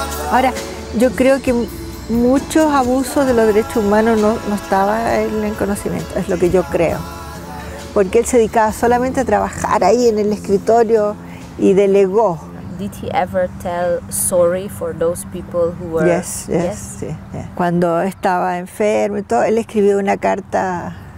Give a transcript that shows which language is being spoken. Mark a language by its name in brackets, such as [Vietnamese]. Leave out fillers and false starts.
[Spanish] Ahora, yo creo que muchos abusos de los derechos humanos no estaba en el conocimiento, es lo que yo creo. Porque él se dedicaba solamente a trabajar ahí en el escritorio y delegó. [English] Did he ever tell sorry for those people who were? Yes. [Spanish] Cuando estaba enfermo y todo, él escribió una carta.